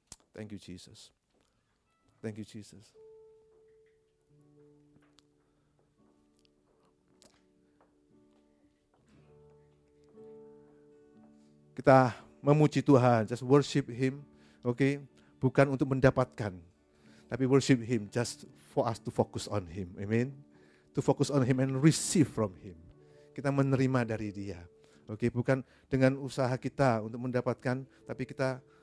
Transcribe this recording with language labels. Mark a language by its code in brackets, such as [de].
[en] Thank you, Jesus. Thank you, Jesus. [id] Kita memuji Tuhan. [en] Just worship Him. Okay? [id] Bukan untuk mendapatkan. [en] Tapi worship Him. Just for us to focus on Him. Amen. To focus on Him and receive from Him. [id] Kita menerima dari Dia. Okay, bukan dengan usaha kita untuk mendapatkan, tapi kita